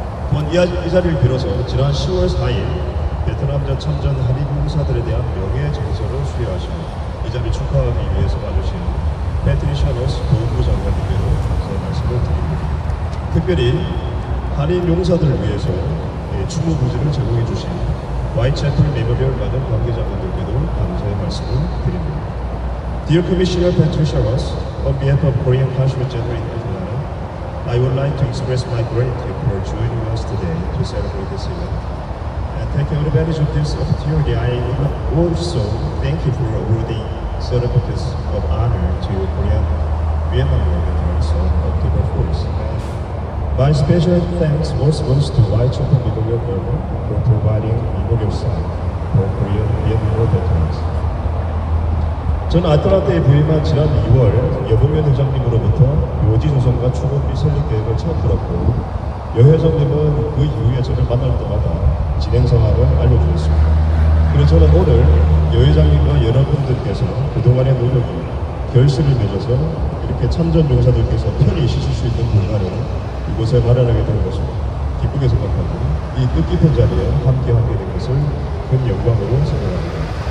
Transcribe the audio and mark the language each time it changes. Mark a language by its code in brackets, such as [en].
[ko] 또한 이 자리를 빌어서 지난 10월 4일 베트남전 참전 한인봉사들에 대한 명예전서를 수여하시고 이 자리 축하하기 위해서 와주신 패트리샤 로스 보훈부 장관님께도 감사의 말씀을 드립니다. 특별히 한인용사들을 위해서 추모부지를 제공해주신 와이채플 메모리얼 가든 관계자분들께도 감사의 말씀을 드립니다. [en] Dear Commissioner Patricia Ross, on behalf of Korean Consulate General in Vietnam, I would like to express my gratitude for joining us today to celebrate this event. And taking advantage of this opportunity, I also thank you for awarding certificates of honor to Korean Vietnam War veterans on October 4th. And my special thanks also goes to Y-Chapel Memorial Burma for providing memorial site for Korean Vietnam War veterans. [ko] 저는 아틀란타에 부임한 지난 2월 여봉현 회장님으로부터 묘지 조성과 추모비 설립 계획을 처음 들었고, 여 회장님은 그 이후에 저를 만날 때마다 진행 상황을 알려주셨습니다. 그리고 저는 오늘 여 회장님과 여러분들께서 그동안의 노력이 결실을 맺어서 이렇게 참전 용사들께서 편히 쉬실 수 있는 공간을 이곳에 마련하게 된 것을 기쁘게 생각하고, 이 뜻깊은 자리에 함께하게 된 것을 큰 영광으로 생각합니다.